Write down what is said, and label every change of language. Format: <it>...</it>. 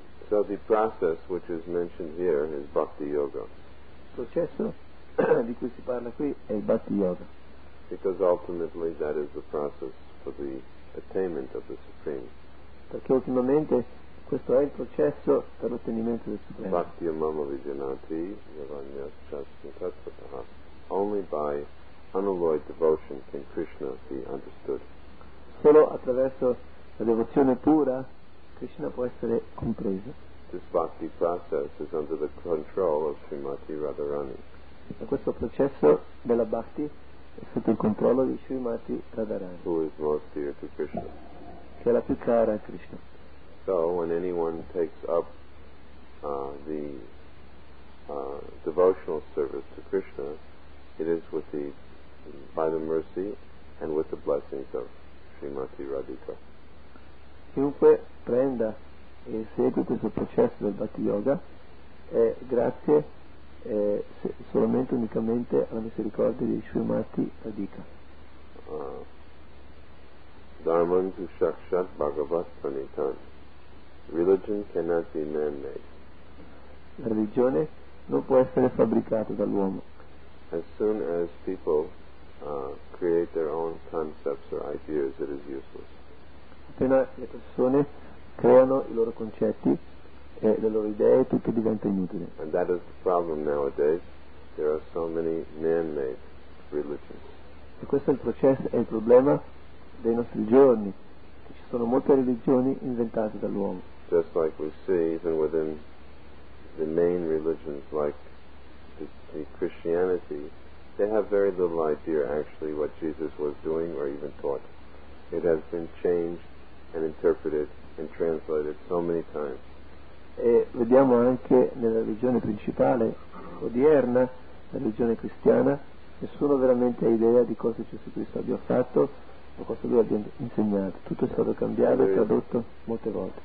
<en>So the process which is mentioned here is Bhakti Yoga.</en> <it>Il processo di cui si parla qui è il Bhakti Yoga.</it> <en>Because ultimately that is the process for the attainment of the Supreme.</en> <it>Perché ultimamente questo è il processo per l'ottenimento del Supremo.</it> <sa>Bhakti Mama Vijanati Yavanya Chastakataha.</sa> <en>Only by unalloyed devotion can Krishna be understood.</en> <it>Solo attraverso la devozione pura Krishna può essere compreso.</it> <en>This bhakti process is under the control of Srimati Radharani.</en> <it>E questo processo della bhakti è sotto il controllo di Srimati Radharani.</it> <en>Who is most dear to Krishna?</en> <it>Che è la più cara a Krishna.</it> <en>So when anyone takes up the devotional service to Krishna, it is with the by the mercy and with the blessings of Srimati Radhika.</en> <it>Chiunque prenda e segue questo processo del Bhakti Yoga è grazie solamente unicamente alla misericordia di Srimati Radhika.</it> <sa>Dharman tu shakshat bhagavat pranitan.</sa> <en>Religion cannot be man-made.</en> <it>La religione non può essere fabbricata dall'uomo.</it> <en>As soon as people create their own concepts or ideas, it is useless.</en> <it>Appena le persone creano i loro concetti e le loro idee, tutto diventa inutile.</it> <en>And that is the problem nowadays. There are so many man-made religions.</en> <it>E questo è il processo, è il problema dei nostri giorni. Ci sono molte religioni inventate dall'uomo.</it> <en>Just like we see even within the main religions like the Christianity, they have very little idea actually what Jesus was doing or even taught. It has been changed and interpreted and translated so many times.</en> <it>E vediamo anche nella religione principale odierna, la religione cristiana, nessuno veramente ha idea di cosa Gesù Cristo abbia fatto o cosa lui abbia insegnato. Tutto è stato cambiato e tradotto molte volte.</it>